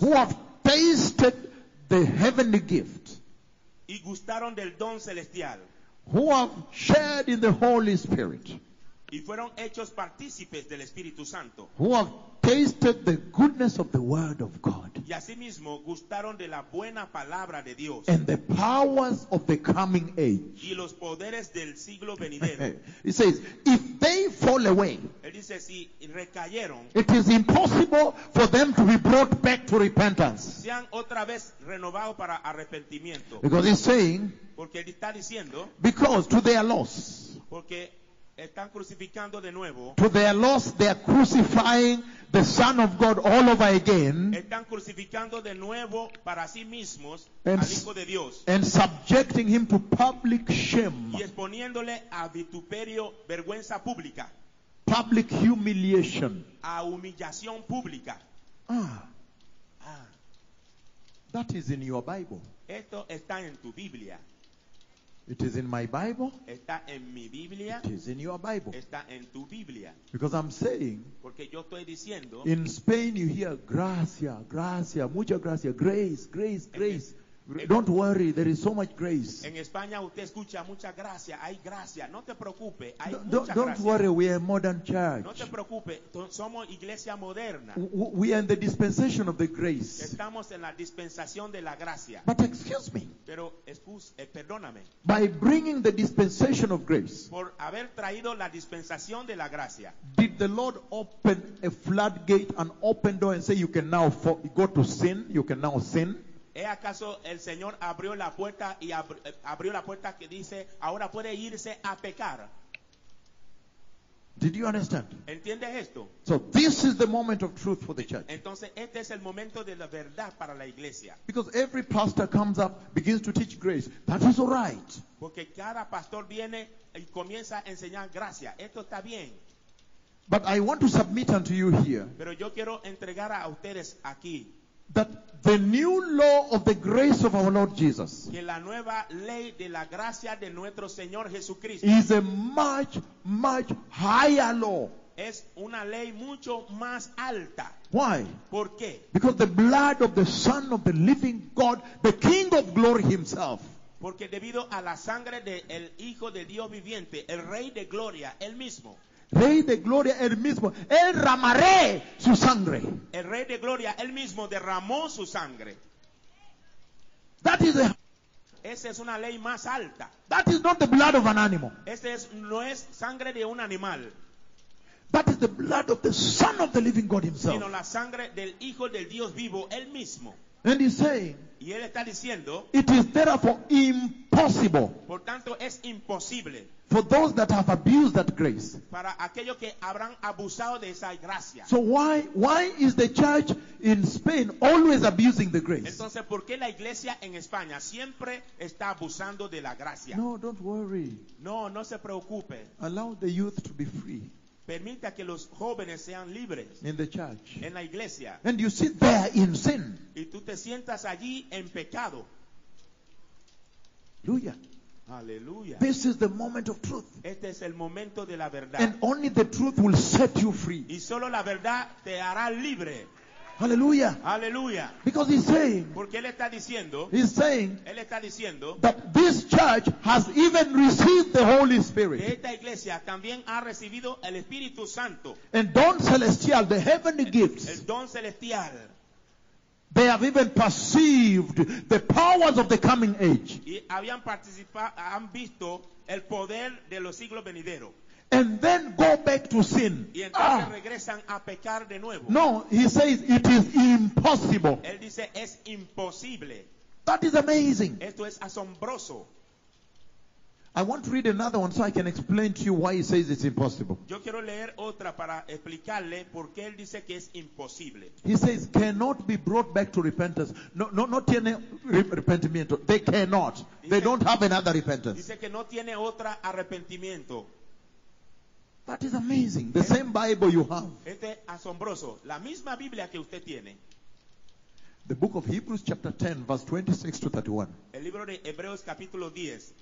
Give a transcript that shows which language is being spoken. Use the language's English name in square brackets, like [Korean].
[English] who have tasted the heavenly gift, [Spanish] y gustaron del don celestial, [English] who have shared in the Holy Spirit, [Spanish] y fueron hechos partícipes del Espíritu Santo, [English] who have tasted the goodness of the word of God, [Spanish] y asimismo gustaron de la buena palabra de Dios, [English] and the powers of the coming age, [Spanish] y los poderes del siglo venidero. [English] He says, if they fall away, [Spanish] él dice, si recayeron, [English] it is impossible for them to be brought back to repentance, [Spanish] sean otra vez renovado para arrepentimiento. [English] Because he's saying, [Spanish] porque él está diciendo, [English] because to their loss, [Spanish] porque están crucificando de nuevo, [English] to their loss they are crucifying the Son of God all over again, [Spanish] están crucificando de nuevo para sí mismos al Hijo de Dios, [English] and subjecting him to public shame, [Spanish] y exponiéndole a vituperio, vergüenza pública, [English] public humiliation, [Spanish] a humillación pública. [English] That is in your Bible. [Spanish] Esto está en tu Biblia. [English] It is in my Bible. [Spanish] Está en mi Biblia. [English] It is in your Bible. [Spanish] Está en tu Biblia. [English] Because I'm saying, [Spanish] porque yo estoy diciendo, [English] in Spain you hear [Spanish] gracia, gracia, mucha gracia, [English] grace, grace, grace. Don't worry, there is so much grace. [Spanish] En España usted escucha mucha gracia, hay gracia. No te preocupes, hay [English] don't worry, we are a modern church. [Spanish] No te preocupes, somos iglesia moderna. [English] We are in the dispensation of the grace. [Spanish] Estamos en la dispensación de la gracia. [English] But excuse me. [Spanish] Pero perdóname. [English] By bringing the dispensation of grace, [Spanish] por haber traído la dispensación de la gracia, [English] did the Lord open a floodgate, an open door, and say you can now go to sin? You can now sin? [Spanish] ¿Es acaso el Señor abrió la puerta y abrió la puerta que dice ahora puede irse a pecar? [English] Did you understand? [Spanish] ¿Entiendes esto? [English] So this is the moment of truth for the church. [Spanish] Entonces este es el momento de la verdad para la iglesia. [English] Because every pastor comes up, begins to teach grace. That is all right. [Spanish] Porque cada pastor viene y comienza a enseñar gracia. Esto está bien. [English] But I want to submit unto you here. [Spanish] Pero yo quiero entregar a ustedes aquí. [English] That the new law of the grace of our Lord Jesus, [Spanish] que la nueva ley de la gracia de nuestro Señor Jesucristo, [English] is a much, much higher law. [Spanish] Es una ley mucho más alta. [English] Why? [Spanish] ¿Por qué? [English] Because the blood of the Son of the living God, the King of glory himself. [Spanish] Porque debido a la sangre del Hijo de Dios viviente, el Rey de gloria, él mismo. Rey de gloria, él mismo. Él derramaré su sangre. El Rey de gloria, él mismo derramó su sangre. [English] That is [Spanish] esa es una ley más alta. [English] That is not the blood of an animal. [Spanish] Este es, no es sangre de un animal. [English] That is the blood of the Son of the living God himself. [Spanish] Sino la sangre del Hijo del Dios vivo, él mismo. [English] And he's saying, [Spanish] y él está diciendo, [English] it is therefore impossible, [Spanish] por tanto es imposible, [English] for those that have abused that grace, [Spanish] para aquellos que habrán abusado de esa gracia. [English] So why is the church in Spain always abusing the grace? [Spanish] Entonces, ¿por qué la iglesia en España siempre está abusando de la gracia? [English] No, don't worry. [Spanish] No, no se preocupe. [English] Allow the youth to be free. [Spanish] Permita que los jóvenes sean libres [English] in the church. [Spanish] En la iglesia. [English] And you sit there in sin. [Spanish] Y tú te sientas allí en pecado. Aleluya. [English] Hallelujah. This is the moment of truth. [Spanish] Este es el momento de la verdad. [English] And only the truth will set you free. [Spanish] Y solo la verdad te hará libre. [English] Hallelujah. Hallelujah. Because he's saying, [Spanish] porque él está diciendo, [English] he's saying, [Spanish] él está diciendo, [English] that this church has even received the Holy Spirit. [Spanish] Esta iglesia también ha recibido el Espíritu Santo. [English] And [Spanish] don celestial, [English] the heavenly gifts. [Spanish] El don celestial. [English] They have even perceived the powers of the coming age. [Spanish] Y habían participado, han visto el poder de los siglos venideros. [English] And then go back to sin. [Spanish] Y entonces regresan a pecar de nuevo. [English] No, he says it is impossible. [Spanish] Él dice, es imposible. [English] That is amazing. [Spanish] Esto es asombroso. [English] I want to read another one so I can explain to you why he says it's impossible. [Spanish] Yo quiero leer otra para explicarle por qué él dice que es imposible. [English] He says, cannot be brought back to repentance. [Spanish] No, no, no tiene arrepentimiento. [English] They cannot. [Spanish] Dice, [English] they don't have another repentance. [Spanish] Dice que no tiene otra arrepentimiento. [English] That is amazing. The same Bible you have. [Spanish] Este es asombroso. La misma Biblia que usted tiene. [English] The book of Hebrews chapter 10, verse 26 to 31. [Spanish] El libro de Hebreos capítulo 10.